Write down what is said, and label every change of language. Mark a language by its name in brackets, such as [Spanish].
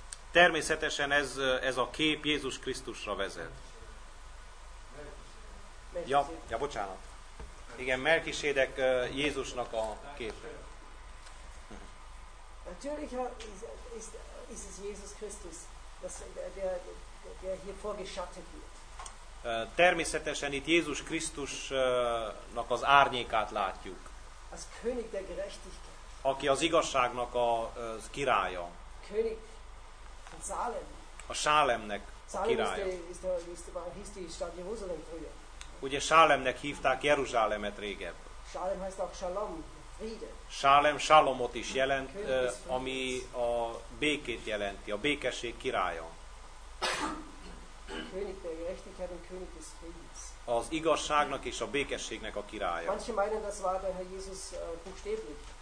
[Hungarian] Természetesen ez a kép Jézus Krisztusra vezet. Ja, bocsánat. Igen, Melkisédek Jézusnak a képe. [German] Natürlich ist es Jesus Christus, der hier vorgeschattet wird. [Hungarian] Természetesen itt Jézus Krisztusnak az árnyékát látjuk. [German] Az König der Gerechtigkeit. [Hungarian] Aki az igazságnak az királya. [German] König von Salem. [Hungarian] A Sálemnek a királya. [German] Salem ist der. [Hungarian] Ugye Sálemnek hívták Jeruzsálemet régebb. [German] Sálem heißt auch Shalom, Friede. [Hungarian] Sálem Shalomot is jelent, ami a békét jelenti, a békesség királya. [German] König der Gerechtigkeit und König des Friedens. [Hungarian] Az igazságnak és a békességnek a királya. [German] Manche meinen, das war der Herr Jesus buchstäblich.